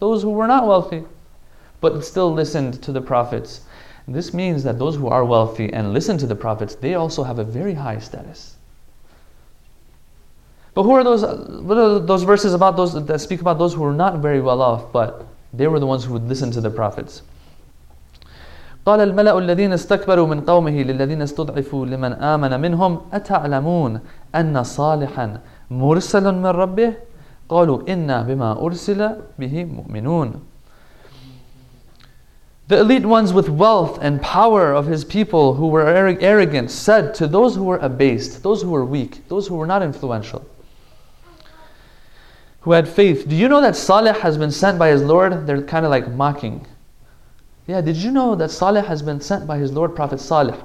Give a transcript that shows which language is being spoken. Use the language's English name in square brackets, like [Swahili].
[English] Those who were not wealthy, but still listened to the prophets. This means that those who are wealthy and listen to the prophets, they also have a very high status. But who are those? What are those verses about those that speak about those who are not very well off, but they were the ones who would listen to the prophets? [Arabic] قال الملأ الذين استكبروا من قومه للذين استضعفوا لمن آمن منهم أتعلمون أن صالحا مرسل من ربه قالوا إنا بما أرسل به مؤمنون. [English] The elite ones with wealth and power of his people who were arrogant said to those who were abased, those who were weak, those who were not influential, who had faith, do you know that Salih has been sent by his Lord? They're kind of like mocking. Yeah, did you know that Salih has been sent by his Lord, Prophet Salih?